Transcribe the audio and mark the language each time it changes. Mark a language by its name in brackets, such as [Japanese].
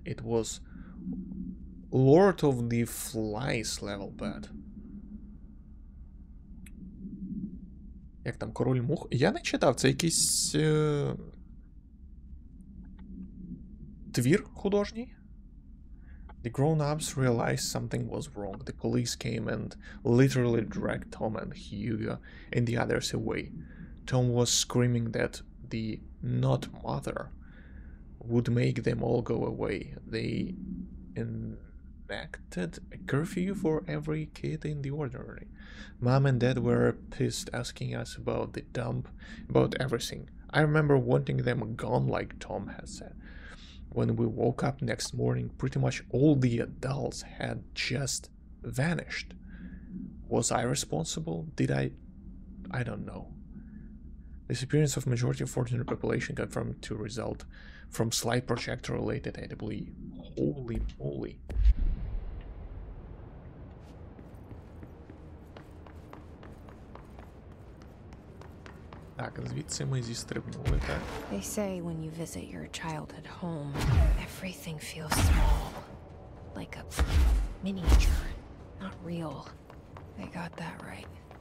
[English] It was Lord of the Flies level bad. [Ukrainian] Як там король мух? Я не читав, це якийсь твір художній. [English] The grown-ups realized something was wrong. The police came and literally dragged Tom and Hugo and the others away. Tom was screaming that the not mother would make them all go away. They enacted a curfew for every kid in the orderly. Mom and dad were pissed, asking us about the dump, about everything. I remember wanting them gone, like Tom has said. When we woke up next morning, pretty much all the adults had just vanished. Was I responsible? Did I don't know. Disappearance of majority of ordinary population confirmed to result from slight projector-related AWE. Holy moly. [Ukrainian] Так, звідси ми зістрибнули, так? [English] They say when you visit your childhood home, everything feels small. Like a miniature, not real. They got that right.